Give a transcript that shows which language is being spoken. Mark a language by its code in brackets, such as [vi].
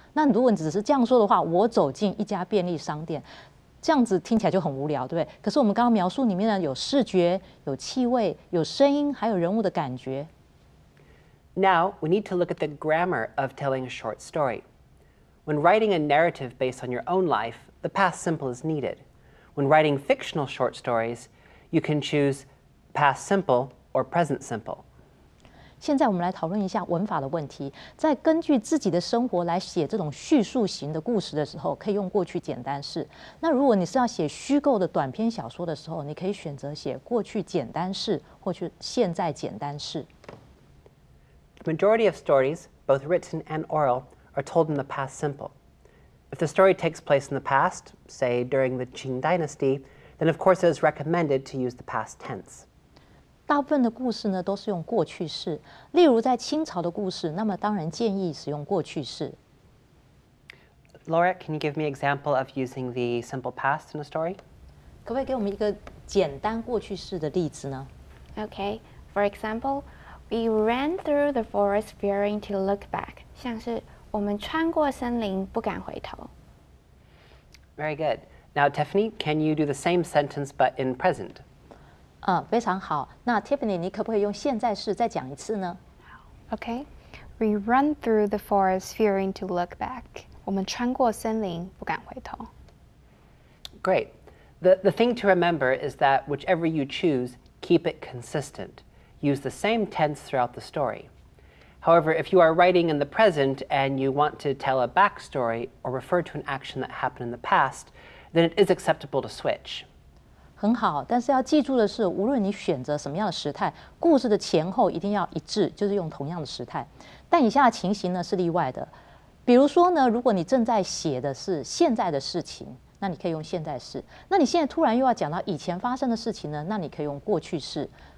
[zh] 那如果你只是这样说的话，我走进一家便利商店，这样子听起来就很无聊，对不对？可是我们刚刚描述里面呢，有视觉、有气味、有声音，还有人物的感觉。 [en] Now, we need to look at the grammar of telling a short story. When writing a narrative based on your own life, the past simple is needed. When writing fictional short stories, you can choose past simple or present simple. [zh] 现在我们来讨论一下文法的问题。在根据自己的生活来写这种叙述型的故事的时候，可以用过去简单式。那如果你是要写虚构的短篇小说的时候，你可以选择写过去简单式或去现在简单式。 [en] Majority of stories, both written and oral, are told in the past simple. If the story takes place in the past, say during the Qing Dynasty, then of course it is recommended to use the past tense. [zh] 大部分的故事呢都是用过去式，例如在清朝的故事，那么当然建议使用过去式。 [en] Laura, can you give me an example of using the simple past in a story? [zh] 可不可以给我们一个简单过去式的例子呢？ [en] Okay, for example,We ran through the forest fearing to look back. [zh] 像是我们穿过森林不敢回头。 [en] Very good. Now, Tiffany, can you do the same sentence but in present? [zh] 非常好。那 Tiffany, 你可不可以用现在式再讲一次呢？ [en] Okay. We ran through the forest fearing to look back. [zh] 我们穿过森林不敢回头。 [en] Great. The thing to remember is that whichever you choose, keep it consistent. Use the same tense throughout the story. However, if you are writing in the present and you want to tell a backstory or refer to an action that happened in the past, then it is acceptable to switch. [zh] 很好，但是要记住的是，无论你选择什么样的时态，故事的前后一定要一致，就是用同样的时态。但以下的情形呢是例外的，比如说呢，如果你正在写的是现在的事情，那你可以用现在式；那你现在突然又要讲到以前发生的事情呢，那你可以用过去式。